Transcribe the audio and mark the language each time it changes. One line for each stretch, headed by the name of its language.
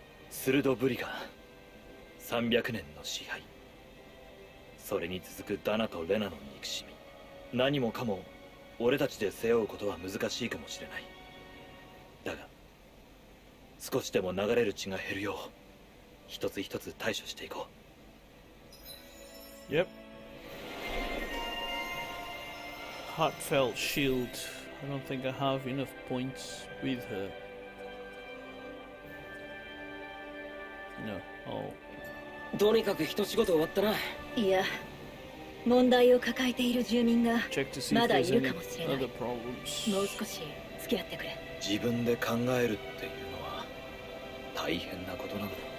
Japanese: 鋭ぶりが300年の支配、それに続くダナとレナの憎しみ、何もかも俺たちで背負うことは難しいかもしれない。だが少しでも流れる血が減るよう一つ一つ対処していこう。
English: Yep. Heartfelt shield. I don't think I have enough points with her. No. Oh.
Japanese: どうにかく一仕事終わったな。いや、問題を抱えている住民がまだいるかもしれない。もう少し付き合ってくれ。自分で考えるっていうのは大変なことなんだ。